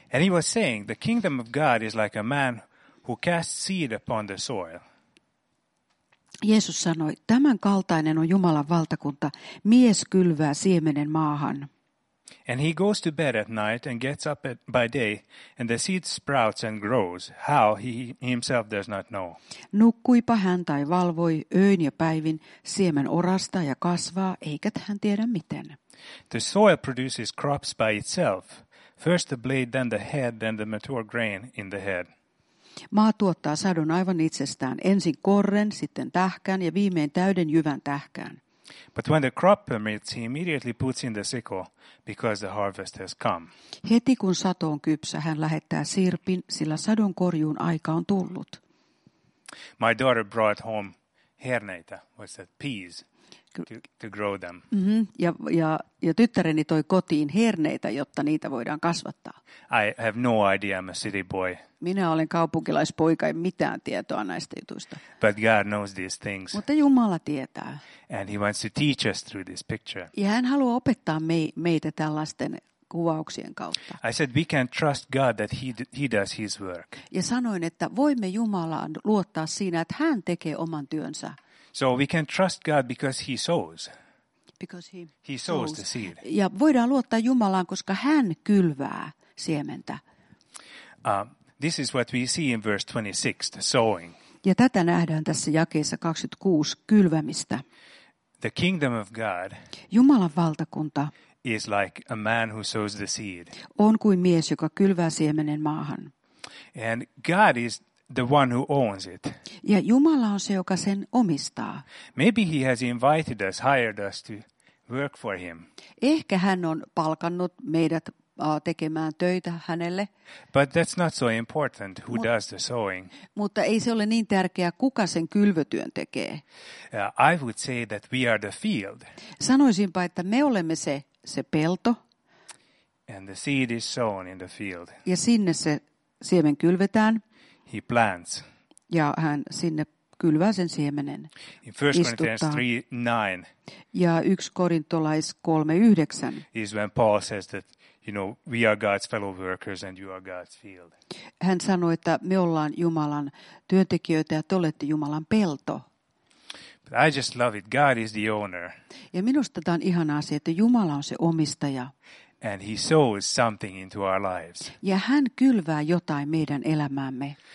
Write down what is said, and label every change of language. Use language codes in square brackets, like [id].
[en] And he was saying, the kingdom of God is like a man who casts seed upon the soil. [fi] Jeesus sanoi, tämän kaltainen on Jumalan valtakunta, mies kylvää siemenen maahan. [en] And he goes to bed at night and gets up by day, and the seed sprouts and grows, how he himself does not know. [fi] Nukkuipa hän tai valvoi öin ja päivin, siemen orastaa ja kasvaa, eikä hän tiedä miten. [en] The soil produces crops by itself, first the blade, then the head, then the mature grain in the head. [fi] Maa tuottaa sadon aivan itsestään, ensin korren, sitten tähkän ja viimein täyden jyvän tähkään. [en] But when the crop permits, he immediately puts in the sickle, because the harvest has come. [fi] Heti kun sato on kypsä, hän lähettää sirpin, sillä sadon korjuun aika on tullut. [en] My daughter brought home herneitä, what's that, peas, to grow them. Mm-hmm. [fi] Ja tyttäreni toi kotiin herneitä, jotta niitä voidaan kasvattaa. [en] I have no idea, I'm a city boy. [fi] Minä olen kaupunkilaispoika, en mitään tietoa näistä jutuista. [en] But God knows these things. [fi] Mutta Jumala tietää. [en] And he wants to teach us through this picture. [fi] Ja hän haluaa opettaa meitä tällaisten kuvauksien kautta. [en] I said we can trust God that he does his work. [fi] Ja sanoin, että voimme Jumalaan luottaa siinä, että hän tekee oman työnsä. [en] So we can trust God because he sows. Because he sows the seed. [fi] Ja voidaan luottaa Jumalaan, koska hän kylvää siementä. [en] This is what we see in verse 26, the sowing. [fi] Ja tätä nähdään tässä jakeessa 26, kylvämistä. [en] The kingdom of God, [fi] Jumalan valtakunta, [en] is like a man who sows the seed. [fi] On kuin mies, joka kylvää siemenen maahan. [en] And God is the one who owns it. [fi] Ja Jumala on se, joka sen omistaa. [en] Maybe he has invited us, hired us to work for him. [fi] Ehkä hän on palkannut meidät tekemään töitä hänelle. [en] But that's not so important who does the sowing. [fi] Mutta ei se ole niin tärkeää, kuka sen kylvötyön tekee. [en] I would say that we are the field. [fi] Sanoisinpa, että me olemme se pelto. [en] And the seed is sown in the field. [fi] Ja sinne se siemen kylvetään. [en] He plants. [fi] Ja hän sinne kylvää sen siemenen. [en] In 1 Corinthians 3:9. [fi] Ja 1 Korintolais 3:9. [en] Is when Paul says that, you know, we are God's fellow workers and you are God's field. [fi] Hän sanoi, että me ollaan Jumalan työntekijöitä ja te olette Jumalan pelto. [en] But I just love it. God is the owner. [fi] Ja minusta tämä on ihana asia, että Jumala on se omistaja. [en] And he sows something into our lives. [fi] Ja hän kylvää jotain meidän elämäämme.